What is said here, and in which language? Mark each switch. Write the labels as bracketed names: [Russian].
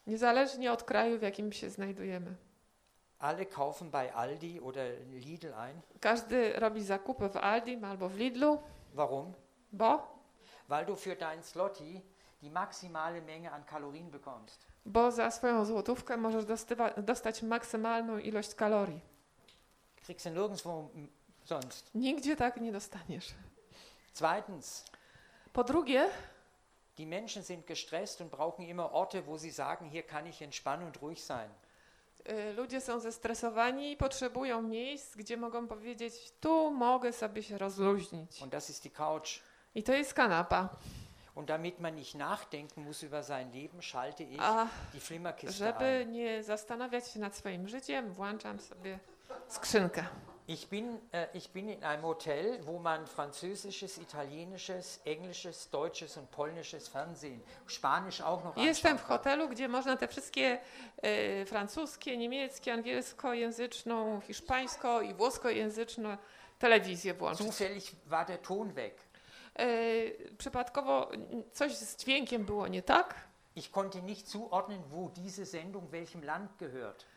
[Polish] Niezależnie od kraju, w jakim się znajdujemy. [German] Alle kaufen bei Aldi oder Lidl ein. [Polish] Każdy robi zakupy w Aldi albo w Lidlu. [German] Warum? [Polish] Bo? [German] Weil du für dein Slotty die maximale Menge an Kalorien bekommst. [Polish] Bo za swoją złotówkę możesz dostać maksymalną ilość kalorii. [German] Kriegst du nirgendwo sonst. [Polish] Nigdzie tak nie dostaniesz. [German] Zweitens. [Polish] Po drugie. [German] Die Menschen sind gestresst und brauchen immer Orte, wo sie sagen, hier kann ich entspannen und ruhig sein. [Polish] Ludzie są zestresowani i potrzebują miejsc, gdzie mogą powiedzieć, tu mogę sobie się rozluźnić. [German] Und das ist die Couch. [Polish] I to jest kanapa. [German] Und damit man nicht nachdenken muss über sein Leben, schalte ich die Flimmerkiste ein. [Polish] Żeby nie zastanawiać się nad swoim życiem, włączam sobie skrzynkę. [German] Ich bin in einem Hotel, wo man französisches, italienisches, englisches, deutsches und polnisches Fernsehen, spanisch auch noch. [Polish] Jestem w hotelu, gdzie można te wszystkie francuskie, niemieckie, angielskojęzyczną, hiszpańską i włoskojęzyczną telewizję włączyć. [German] Zufällig war der Ton weg. [Polish] Przypadkowo coś z dźwiękiem było nie tak. [German] Ich konnte nicht zuordnen, wo diese Sendung welchem Land gehört.